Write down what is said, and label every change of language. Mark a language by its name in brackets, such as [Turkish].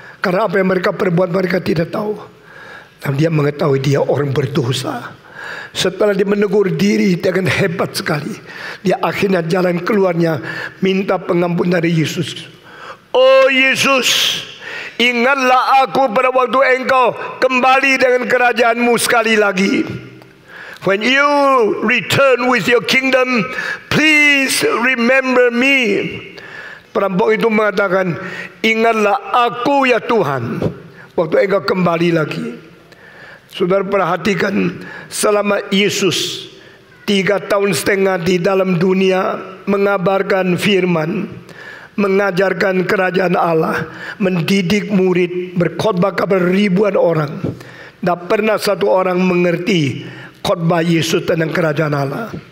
[Indonesian] Karena apa yang mereka perbuat mereka tidak tahu. Dan dia mengetahui dia orang berdosa. Setelah dia menegur diri dengan hebat sekali, dia akhirnya jalan keluarnya minta pengampunan dari Yesus. Oh Yesus, ingatlah aku pada waktu engkau kembali dengan kerajaanmu sekali lagi. [English] When you return with your kingdom, please remember me. [Indonesian] Perampok itu mengatakan, ingatlah aku ya Tuhan, waktu engkau kembali lagi. Saudara perhatikan, selama Yesus 3 tahun setengah di dalam dunia mengabarkan firman, mengajarkan kerajaan Allah, mendidik murid, berkhotbah kepada ribuan orang, tidak pernah satu orang mengerti khotbah Yesus tentang kerajaan Allah.